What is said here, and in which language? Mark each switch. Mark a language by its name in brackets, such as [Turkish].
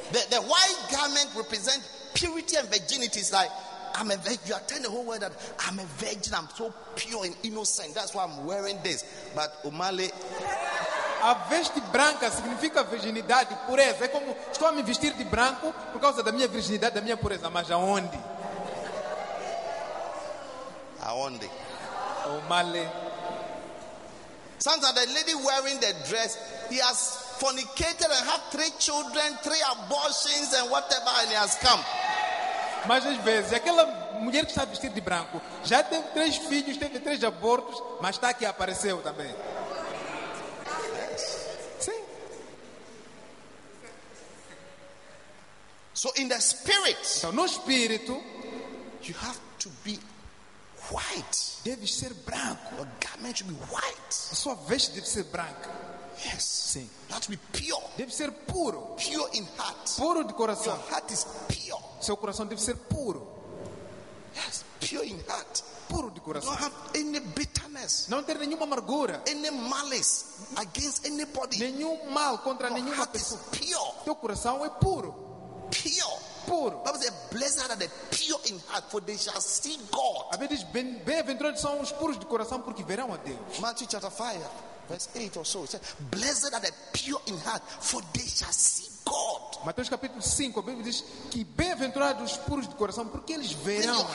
[English] The white garment represents purity and virginity. It's like, I'm a virgin. You are telling the whole world that I'm a virgin. I'm so pure and innocent. That's why I'm wearing this. But Umale, [Portuguese] a veste branca significa virginidade, pureza. É como estou a me vestir de branco por causa da minha virginidade, da minha pureza. Mas aonde? Aonde? Umale. [English] Sometimes the lady wearing the dress, he has fornicated and had 3 children, 3 abortions, and whatever, and he has come. [Portuguese] Mas às vezes, aquela mulher que está vestida de branco já tem 3 filhos, teve 3 abortos, mas está aqui, apareceu também. [English] Yes. [Portuguese] Sim. [English] So in the spirit, [Portuguese] então, no espírito, [English] you have to be white. [Portuguese] Deve ser branco. [English] Your garment should be white. [Portuguese] A sua veste deve ser branca. [English] Yes. [Portuguese] Sim. [English] You have to be pure. [Portuguese] Deve ser puro. [English] Pure in heart. [Portuguese] Puro de coração. [English] Your heart is pure. [Portuguese] Seu coração deve ser puro. [English] Yes, pure in heart. [Portuguese] Puro de coração. [English] Don't have any bitterness. [Portuguese] Não ter nenhuma amargura. [English] Any malice against anybody. [Portuguese] Nenhum mal contra [English] your [Portuguese] nenhuma [English] heart [Portuguese] pessoa. [English] Is pure. [Portuguese] Teu coração é puro. [English] Pure. [Portuguese] Puro. [English] Bible says, blessed are the pure in heart, for they shall see God. [Portuguese] A Bíblia diz, bem-aventurados são os puros de coração, porque verão a Deus. [English] Matthew chapter 5, verse 8 or so. It says, blessed are the pure in heart, for they shall see God. [Portuguese] Mateus capítulo 5, a Bíblia diz que bem-aventurados os puros de coração, porque eles verão